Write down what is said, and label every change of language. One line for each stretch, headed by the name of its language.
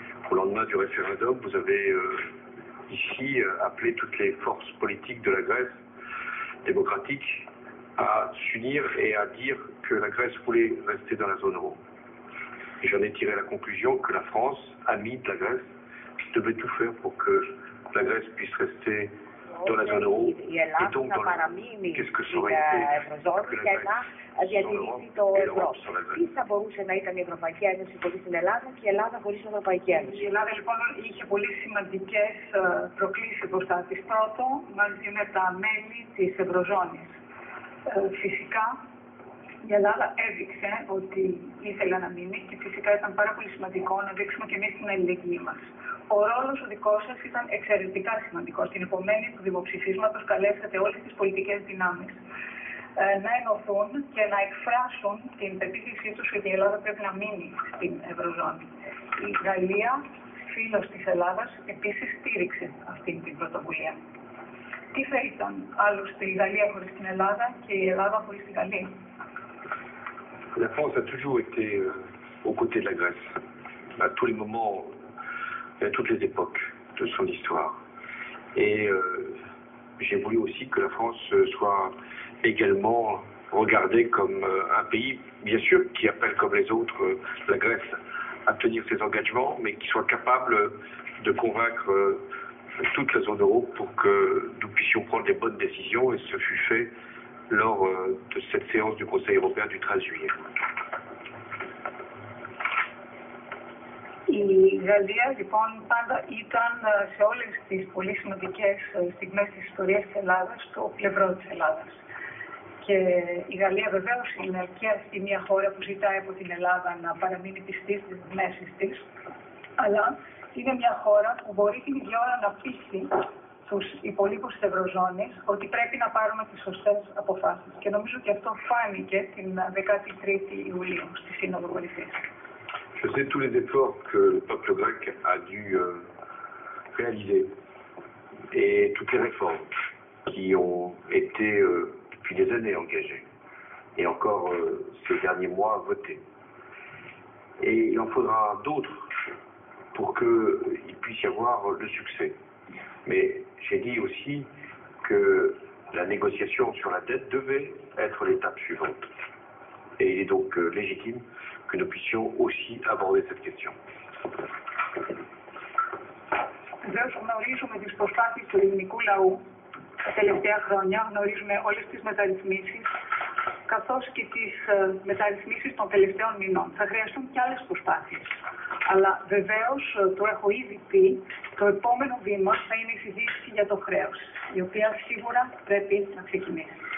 French: Au lendemain du référendum, vous avez ici appelé toutes les forces politiques de la Grèce démocratique à s'unir et à dire que la Grèce voulait rester dans la zone euro. Et j'en ai tiré la conclusion que la France, amie de la Grèce, devait tout faire pour que la Grèce puisse rester dans la zone euro. Et donc, dans l'euro, qu'est-ce que ça aurait été que la Grèce
Greek: διατηρήσει το ευρώ. Τι θα μπορούσε να ήταν η Ευρωπαϊκή Ένωση χωρίς την Ελλάδα και η Ελλάδα χωρίς την Ευρωπαϊκή Ένωση. Η Ελλάδα λοιπόν είχε πολύ σημαντικές προκλήσεις μπροστά της. Πρώτον, μαζί με τα μέλη της Ευρωζώνης. Φυσικά η Ελλάδα έδειξε ότι ήθελε να μείνει και φυσικά ήταν πάρα πολύ σημαντικό να δείξουμε και εμείς την αλληλεγγύη μας. Ο ρόλος ο δικός σας ήταν εξαιρετικά σημαντικός. Την επομένη του δημοψηφίσματος καλέσατε όλες τις πολιτικές δυνάμεις να ενωθούν και να εκφράσουν την πεποίθησή τους ότι η Ελλάδα πρέπει να μείνει στην Ευρωζώνη. Η Γαλλία, φίλος της Ελλάδας, επίσης στήριξε αυτή την πρωτοβουλία. Τι θα ήταν άλλωστε η Γαλλία χωρίς την Ελλάδα και η Ελλάδα χωρίς την Γαλλία.
French: La France a toujours été aux côtés de la Grèce, à tous les moments et à toutes les époques de son histoire. Et j'ai voulu aussi que la France soit également regardé comme un pays, bien sûr, qui appelle comme les autres la Grèce à tenir ses engagements, mais qui soit capable de convaincre toute la zone euro pour que nous puissions prendre des bonnes décisions, et ce fut fait lors de cette séance du Conseil européen du 13 juillet.
Greek: Η Γαλλία λοιπόν πάντα ήταν σε όλες τις πολύ σημαντικές στιγμές της ιστορίας της Ελλάδας στο πλευρό της Ελλάδας. Και η Γαλλία βεβαίως είναι και αυτή μια χώρα που ζητάει από την Ελλάδα να παραμείνει πιστή στις μέσεις της, αλλά είναι μια χώρα που μπορεί την ίδια ώρα να πείσει τους υπολείπους της Ευρωζώνης ότι πρέπει να πάρουμε τις σωστές αποφάσεις. Και νομίζω ότι αυτό φάνηκε την 13η Ιουλίου στη Σύνοδο Βοηθής.
French: Je sais tous les efforts que le peuple grec a dû réaliser et toutes les réformes qui ont été depuis des années engagées et encore ces derniers mois votées. Et il en faudra d'autres pour qu'il puisse y avoir le succès. Mais j'ai dit aussi que la négociation sur la dette devait être l'étape suivante. Et il est donc légitime que nous puissions aussi aborder cette question.
Greek: Βεβαίως γνωρίζουμε τις προσπάθειες του ελληνικού λαού τα τελευταία χρόνια, γνωρίζουμε όλες τις μεταρρυθμίσεις, καθώς και τις μεταρρυθμίσεις των τελευταίων μηνών. Θα χρειαστούν και άλλες προσπάθειες. Αλλά βεβαίως, το έχω ήδη πει, το επόμενο βήμα θα είναι η συζήτηση για το χρέος, η οποία σίγουρα πρέπει να ξεκινήσει.